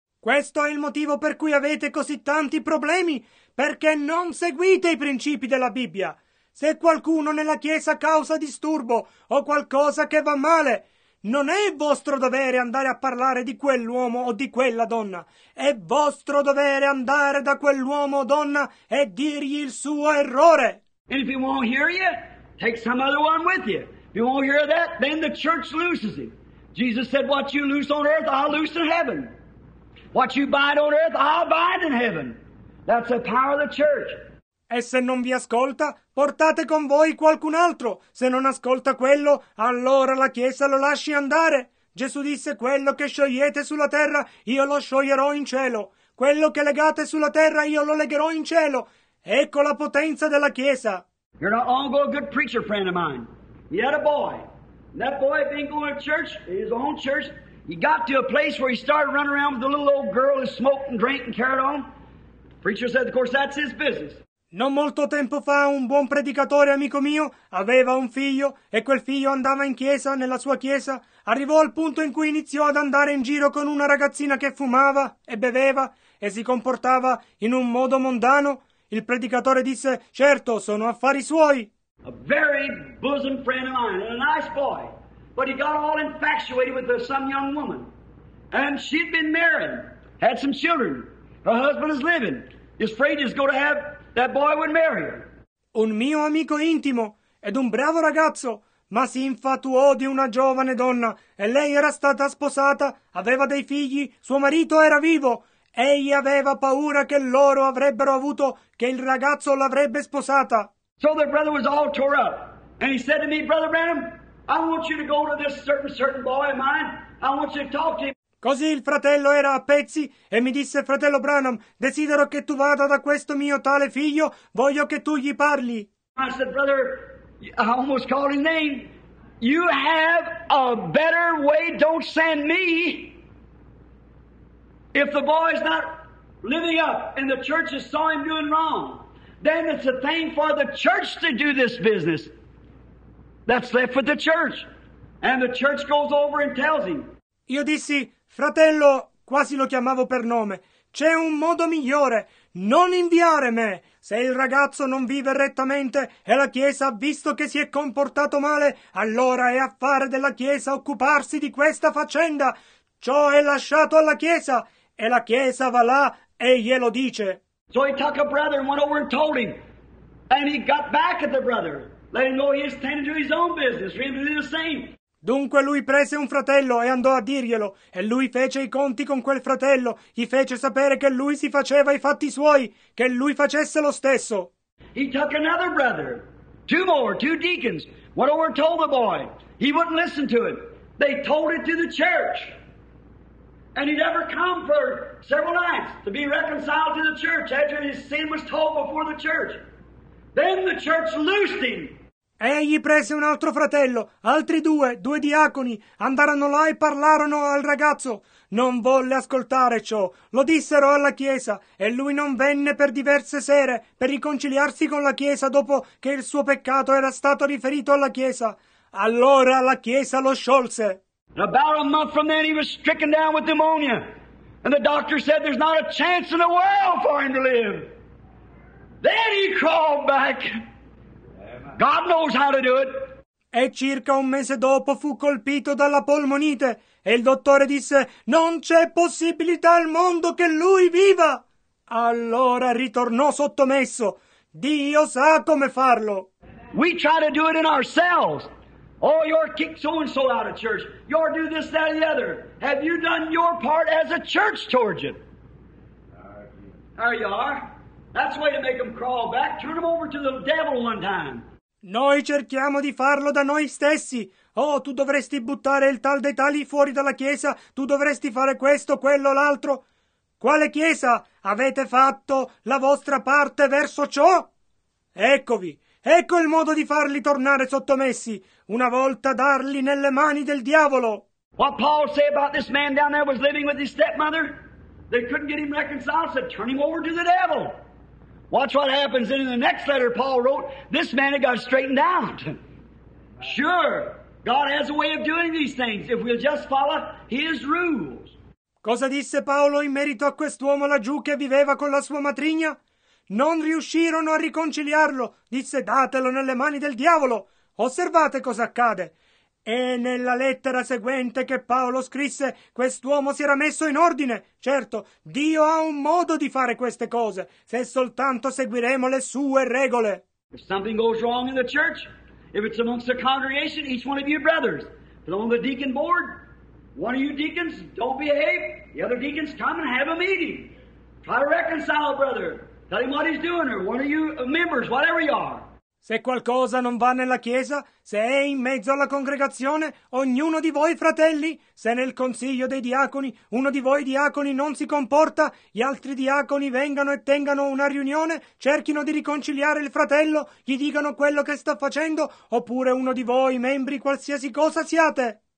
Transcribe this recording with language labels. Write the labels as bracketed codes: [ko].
[it] Questo è il motivo per cui avete così tanti problemi, perché non seguite i principi della Bibbia. Se qualcuno nella chiesa causa disturbo o qualcosa che va male, non è vostro dovere andare a parlare di quell'uomo o di quella donna. È vostro dovere andare da quell'uomo o donna e dirgli il suo errore. [en] And if he won't hear you, take some other one with you. If you won't hear that, then the church loses him. Jesus said, what you loose on earth, I'll loose in heaven. What you bind on earth, I'll bind in heaven. That's the power of the church. [it] E se non vi ascolta, portate con voi qualcun altro. Se non ascolta quello, allora la Chiesa lo lasci andare. Gesù disse, quello che sciogliete sulla terra, io lo scioglierò in cielo. Quello che legate sulla terra, io lo legherò in cielo. Ecco la potenza della Chiesa. [en] You're not long ago a good preacher friend of mine. He had a boy. And that boy had been going to church, his own church. He got to a place where he started running around with a little old girl who smoked and drank and carried on. Preacher said, of course, that's his business. [it] Non molto tempo fa un buon predicatore amico mio aveva un figlio e quel figlio andava in chiesa, nella sua chiesa. Arrivò al punto in cui iniziò ad andare in giro con una ragazzina che fumava e beveva e si comportava in un modo mondano. Il predicatore disse, certo, sono affari suoi. [en] A very bosom friend of mine, and a nice boy, but he got all infatuated with some young woman. And she'd been married, had some children. Her husband is living. He's afraid he's going to have... That boy would marry her. [it] Un mio amico intimo ed un bravo ragazzo, ma si infatuò di una giovane donna e lei era stata sposata, aveva dei figli, suo marito era vivo. Egli aveva paura che loro avrebbero avuto, che il ragazzo l'avrebbe sposata. [en] So the brother was all tore up and he said to me, Brother Branham, I want you to go to this certain boy of mine, I want you to talk to him. [it] Così il fratello era a pezzi e mi disse, fratello Branham, desidero che tu vada da questo mio tale figlio, voglio che tu gli parli. [en] I said, brother, I almost called his name. You have a better way, don't send me. If the boy is not living up and the church has saw him doing wrong, then it's a thing for the church to do this business. That's left with the church. And the church goes over and tells him. [it] Io dissi, fratello, quasi lo chiamavo per nome, c'è un modo migliore, non inviare me. Se il ragazzo non vive rettamente e la Chiesa ha visto che si è comportato male, allora è affare della Chiesa occuparsi di questa faccenda. Ciò è lasciato alla Chiesa e la Chiesa va là e glielo dice. [en] So he took a brother and went over and told him. And he got back at the brother, letting know he is tending to his own business, ready to do the same. [it] Dunque lui prese un fratello e andò a dirglielo, e lui fece i conti con quel fratello, gli fece sapere che lui si faceva i fatti suoi, che lui facesse lo stesso. [en] He took another brother, two deacons, went over and told the boy. He wouldn't listen to it. They told it to the church. And he'd never come for several nights to be reconciled to the church after his sin was told before the church. Then the church loosed him. [it] Egli prese un altro fratello, altri due diaconi, andarono là e parlarono al ragazzo. Non volle ascoltare ciò, lo dissero alla chiesa, e lui non venne per diverse sere per riconciliarsi con la chiesa dopo che il suo peccato era stato riferito alla chiesa. Allora la chiesa lo sciolse. [en] About a month from then he was stricken down with pneumonia, and the doctor said there's not a chance in the world for him to live. Then he crawled back. God knows how to do it. [it] E circa un mese dopo fu colpito dalla polmonite e il dottore disse: non c'è possibilità al mondo che lui viva. Allora ritornò sottomesso. Dio sa come farlo. [en] We try to do it in ourselves. Oh, you're kicked so and so out of church. You're do this, that, and the other. Have you done your part as a church towards it? There you are. That's the way to make them crawl back. Turn them over to the devil one time. [it] Noi cerchiamo di farlo da noi stessi. Oh, tu dovresti buttare il tal dei tali fuori dalla chiesa. Tu dovresti fare questo, quello, l'altro. Quale chiesa? Avete fatto la vostra parte verso ciò? Eccovi. Ecco il modo di farli tornare sottomessi. Una volta darli nelle mani del diavolo. [en] What Paul say about this man down there was living with his stepmother? They couldn't get him reconciled, so turn him over to the devil. Watch what happens. And in the next letter Paul wrote, this man had got straightened out. Sure, God has a way of doing these things if we'll just follow his rules. [it] Cosa disse Paolo in merito a quest'uomo laggiù che viveva con la sua matrigna? Non riuscirono a riconciliarlo. Disse, datelo nelle mani del diavolo. Osservate cosa accade. E nella lettera seguente che Paolo scrisse, quest'uomo si era messo in ordine. Certo, Dio ha un modo di fare queste cose, se soltanto seguiremo le sue regole. [en] If something goes wrong in the church, if it's amongst the congregation, each one of you brothers, put on the deacon board, one of you deacons, don't behave, the other deacons come and have a meeting. Try to reconcile, brother. Tell him what he's doing, or one of you members, whatever you are. [it] Se qualcosa non va nella chiesa, se è in mezzo alla congregazione, ognuno di voi, fratelli, se nel consiglio dei diaconi uno di voi diaconi non si comporta, gli altri diaconi vengano e tengano una riunione, cerchino di riconciliare il fratello, gli dicano quello che sta facendo, oppure uno di voi, membri, qualsiasi cosa siate.